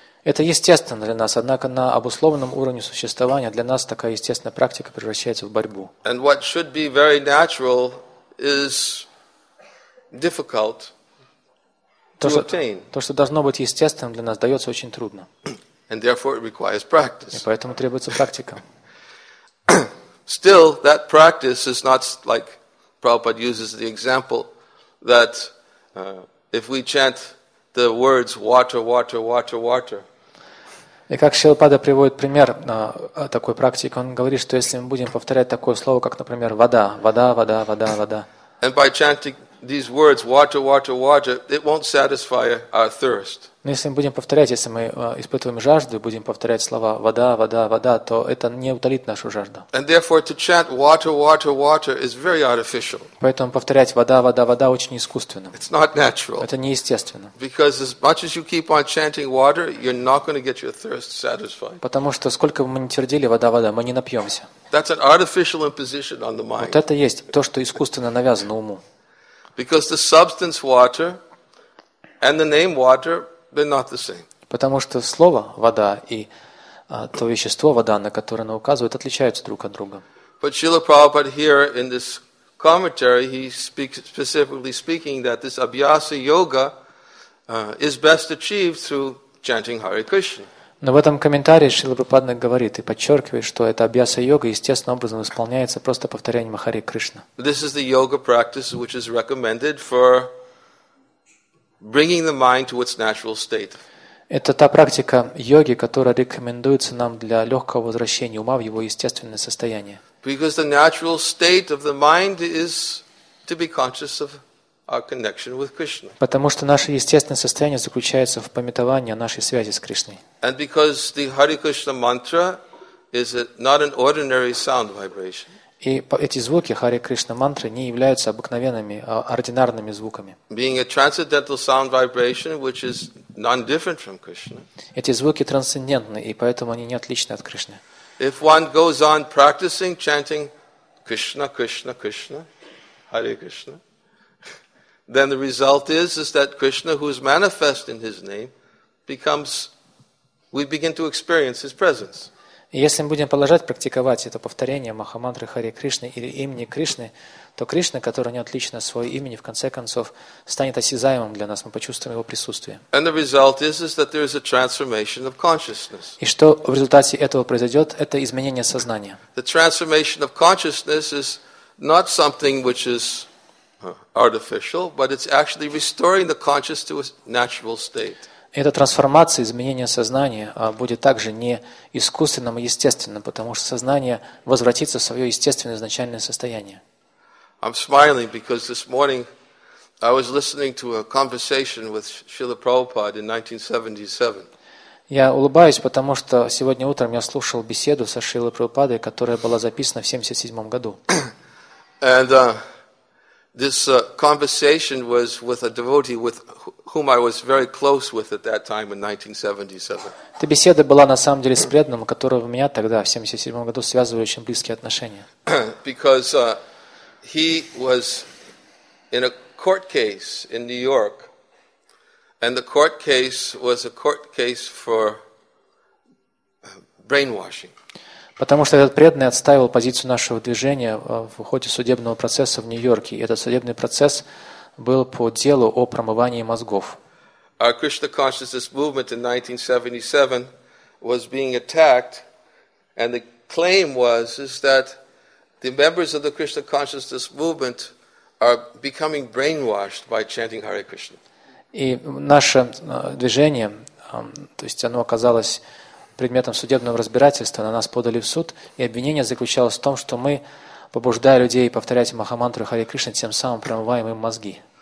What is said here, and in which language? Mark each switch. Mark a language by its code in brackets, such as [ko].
[ru] Это естественно для нас, однако на обусловленном уровне существования для нас такая естественная практика превращается в борьбу. [en] And what should be very natural is difficult to obtain. [ru] То, что должно быть естественным для нас, дается очень трудно. [en] And therefore, it requires practice. [ru] И поэтому требуется практика. [en] Still, that practice is not like Prabhupada uses the example that if we chant the words water, water, water, water. [ru] И как Шрила Прабхупада приводит пример такой практики, он говорит, что если мы будем повторять такое слово, как, например, вода, вода, вода, вода, вода. [en] And by chanting these words, water, water, water, it won't satisfy our thirst. [ru] Но если мы будем повторять, если мы испытываем жажду, будем повторять слова вода, вода, вода, то это не утолит нашу жажду. [en] And therefore, to chant water, water, water is very artificial. [ru] Поэтому повторять вода, вода, вода очень искусственно. [en] It's not natural. [ru] Это неестественно. [en] Because as much as you keep on chanting water, you're not going to get your thirst satisfied. [ru] Потому что сколько бы мы ни твердили вода, вода, мы не напьемся. [en] That's an artificial imposition on the mind. [ru] Вот это есть то, что искусственно навязано уму. [en] Because the substance water and the name water, they're not the same. [ru] Потому что слово вода и то вещество вода, на которое оно указывает, отличаются друг от друга. [en] But Srila Prabhupada here in this commentary, he speaks specifically speaking that this abhyasa yoga is best achieved through chanting Hare Krishna. [ru] Но в этом комментарии Шрила Прабхупада говорит и подчеркивает, что эта абьяса-йога естественным образом исполняется просто повторением Хари Кришна. [en] This is the yoga practice which is recommended for bringing the mind to its natural state. [ru] Это та практика йоги, которая рекомендуется нам для легкого возвращения ума в его естественное состояние. [en] Because the natural state of the mind is to be conscious of our connection with Krishna. [ru] Потому что наше естественное состояние заключается в памятовании о нашей связи с Кришной. [en] And because the Hare Krishna mantra is not an ordinary sound vibration. [ru] И эти звуки Hare Krishna mantra не являются обыкновенными, ординарными звуками. [en] Being a transcendental sound vibration, which is non-different from Krishna. [ru] Эти звуки трансцендентны, и поэтому они не отличны от Кришны. [en] If one goes on practicing chanting Krishna, Krishna, Krishna, Hare Krishna, then the result is that Krishna, who is manifest in His name, becomes, we begin to experience His presence. [ru] Если мы будем продолжать практиковать это повторение Махамантры Хари Кришны или имени Кришны, то Кришна, который не отличен от своего имени, в конце концов, станет осязаемым для нас, мы почувствуем Его присутствие. [en] And the result is that there is a transformation of consciousness. [ru] И что в результате этого произойдет? Это изменение сознания. [en] The transformation of consciousness is not something which is artificial, but it's actually restoring the conscious to its natural state. [ru] Эта трансформация, изменение сознания будет также не искусственным, а естественным, потому что сознание возвратится в свое естественное изначальное состояние. [en] I'm smiling because this morning I was listening to a conversation with Srila Prabhupada in 1977. [ru] Я улыбаюсь, потому что сегодня утром я слушал беседу со Шрилой Прабхупадой, которая была записана в 1977 году. [en] And this conversation was with a devotee with whom I was very close with at that time in 1977. [ru] Эта беседа была на самом деле с преданным, которого меня тогда в 77 году связывали очень близкие отношения. [en] Because he was in a court case in New York, and the court case was a court case for brainwashing. [ru] Потому что этот преданный отстаивал позицию нашего движения в ходе судебного процесса в Нью-Йорке. И этот судебный процесс был по делу о промывании мозгов. [en] Our Krishna consciousness movement in 1977 was being attacked, and the claim was that the members of the Krishna consciousness movement are becoming brainwashed by chanting Hare Krishna. [ru] И наше движение, то есть оно оказалось предметом судебного разбирательства, на нас подали в суд, и обвинение заключалось в том, что мы, побуждая людей повторять Махамантру Хари Кришна, тем самым промываем им мозги.